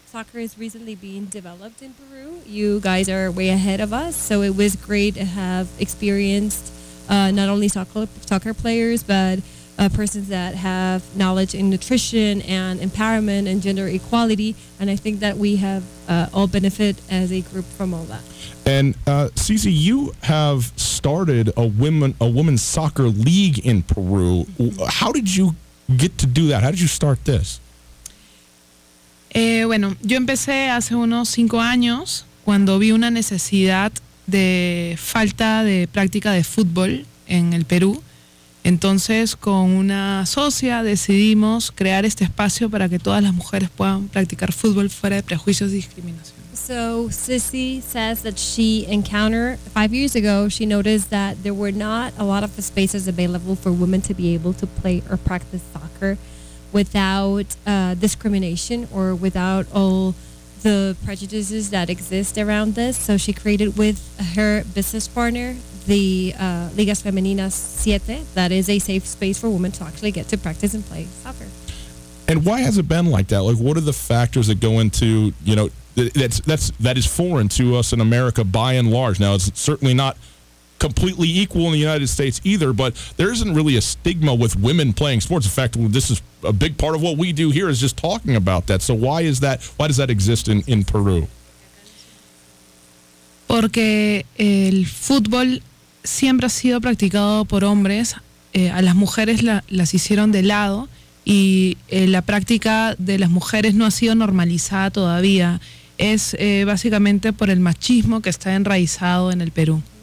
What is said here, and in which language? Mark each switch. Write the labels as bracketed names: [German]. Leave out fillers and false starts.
[English] Soccer is recently being developed in Peru. You guys are way ahead of us, so it was great to have experienced not only soccer players, but persons that have knowledge in nutrition and empowerment and gender equality. And I think that we have all benefit as a group from all that. And Cece, you have started a women's soccer league in Peru. Mm-hmm. How did you get to do that? How did you start this? [Spanish] Bueno, yo empecé hace unos 5 años cuando vi una necesidad de falta de práctica de fútbol en el Perú. Entonces, con una socia decidimos crear este espacio para que todas las mujeres puedan practicar fútbol fuera de prejuicios y discriminación. [English] So, Cece says that she encountered 5 years ago, she noticed that there were not a lot of the spaces available for women to be able to play or practice soccer without discrimination or without all the prejudices that exist around this. So she created with her business partner the Ligas Femeninas 7, that is a safe space for women to actually get to practice and play soccer. And why has it been like that? Like, what are the factors that go into, you know, that is foreign to us in America by and large? Now, it's certainly not completely equal in the United States either, but there isn't really a stigma with women playing sports. In fact, this is a big part of what we do here, is just talking about that. So why is that? Why does that exist in Peru? [Spanish] Porque el fútbol siempre ha sido practicado por hombres. A las mujeres las hicieron de lado, y la práctica de las mujeres no ha sido normalizada todavía. Es básicamente por el machismo que está enraizado en el Perú.